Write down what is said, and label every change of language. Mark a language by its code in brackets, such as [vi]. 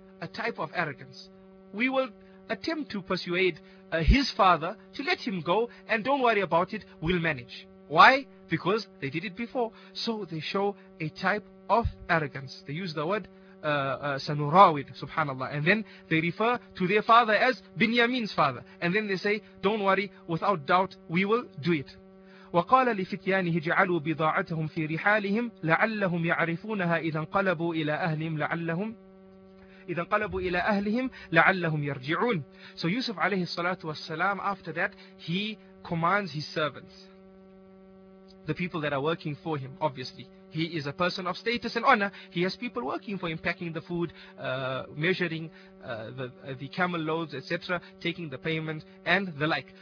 [en] A type of arrogance. We will attempt to persuade his father to let him go, and don't worry about it, we'll manage. Why? Because they did it before. So they show a type of arrogance. They use the word sanurawid, subhanallah. And then they refer to their father as Binyamin's father. And then they say, don't worry, without doubt, we will do it. [ar] وقال لفتيانه جعلوا بضاعتهم في رحالهم لعلهم يعرفونها إذا انقلبوا إلى أهلهم لعلهم إذا انقلبوا إلى أهلهم لعلهم يرجعون. [en] So Yusuf عليه الصلاة والسلام, after that he commands his servants, the people that are working for him. Obviously he is a person of status and honor. He has people working for him, packing the food, measuring the camel loads, etc., taking the payment and the like.